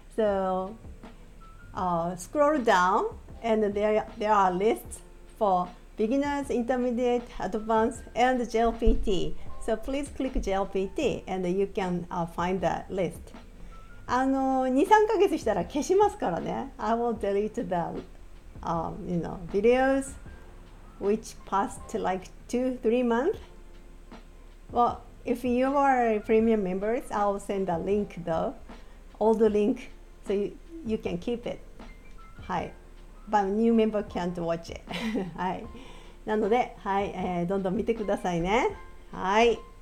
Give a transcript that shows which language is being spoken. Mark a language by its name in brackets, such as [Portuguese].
[English] So scroll down and there are lists for beginners, intermediate, advanced and JLPT. So please click JLPT and you can find that list. [Japanese] 2-3 ヶ月したら消しますからね。 [English] I will delete the videos which passed like 2-3 months. Well, if you are a premium members, I'll send a link though, old link, so you can keep it. はい。But new member can't watch it. [Japanese] はい。なので、はい、どんどん見てくださいね。はい。